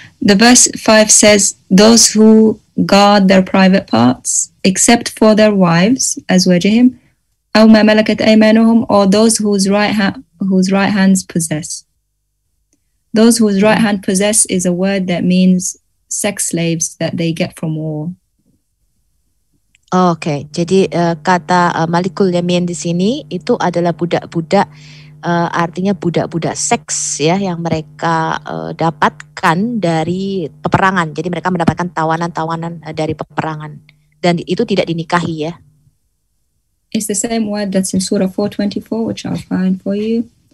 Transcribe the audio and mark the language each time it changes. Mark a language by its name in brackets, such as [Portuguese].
[English] The verse 5 says, those who guard their private parts, except for their wives, as wajihim, [Arabic] أو ما ملكت أيمانهم [English] or those whose right hands possess. Those whose right hand possess is a word that means sex slaves that they get from war. [Indonesian] Okay, jadi kata malikul yamin di sini itu adalah budak-budak, artinya budak-budak seks ya yang mereka dapatkan dari peperangan. Jadi mereka mendapatkan tawanan-tawanan dari peperangan dan itu tidak dinikahi ya. [English] It's the same word that's in Surah 4:24, which I'll find for you.